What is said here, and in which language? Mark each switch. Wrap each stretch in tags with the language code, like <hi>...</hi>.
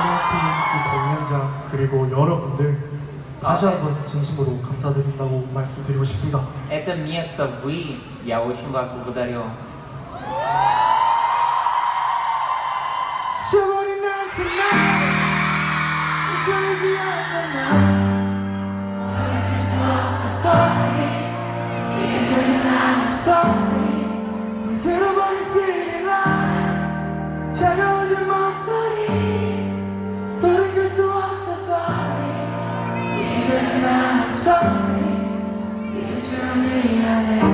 <ko>이 공연장 그리고 여러분들 다시 한번 진심으로 감사드린다고 말씀드리고 싶습니다.</ko> <ru>Это место вы, я очень вас благодарю.</ru> <ko>지쳐버린 난 tonight, 잊혀지지 않는 날, 돌이킬 수 없어 sorry 이기적인 난</ko> <en>I'm sorry</en> <ko>널 들어버린</ko> <en>city light</en> <ko>차가워진 목소리 돌이킬 수 없어 sorry 이기적인 난 I'm sorry 이기적인 미안해</ko>